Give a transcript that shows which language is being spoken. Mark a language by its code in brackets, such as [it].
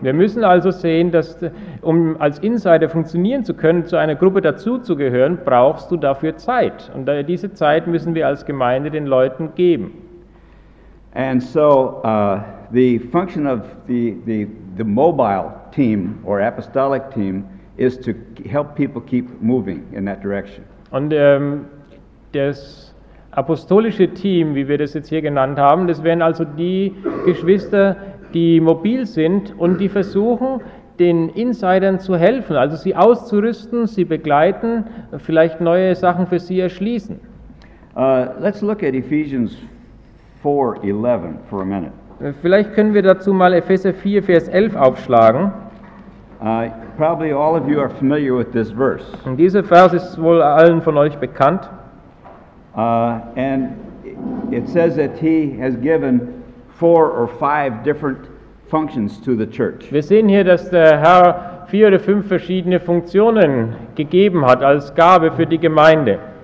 [de] Wir müssen also sehen, dass um als Insider funktionieren zu können, zu einer Gruppe dazuzugehören, brauchst du dafür Zeit, und diese Zeit müssen wir als Gemeinde den Leuten geben. [en] And so the function of the mobile team or apostolic team is to help people keep moving in that direction. [de] Und das apostolische Team, wie wir das jetzt hier genannt haben, das wären also die Geschwister, die mobil sind und die versuchen, den Insidern zu helfen, also sie auszurüsten, sie begleiten, vielleicht neue Sachen für sie erschließen. [en] Let's look at Ephesians 4:11 for a minute. [de] Vielleicht können wir dazu mal Epheser 4, Vers 11 aufschlagen. [en] Probably all of you are familiar with this verse. [de] Und dieser Vers ist wohl allen von euch bekannt. [en] And it says that he has given 4 or 5 different functions to the church. [de] Wir sehen hier, dass der Herr 4 oder 5 verschiedene Funktionen gegeben hat als Gabe für die Gemeinde.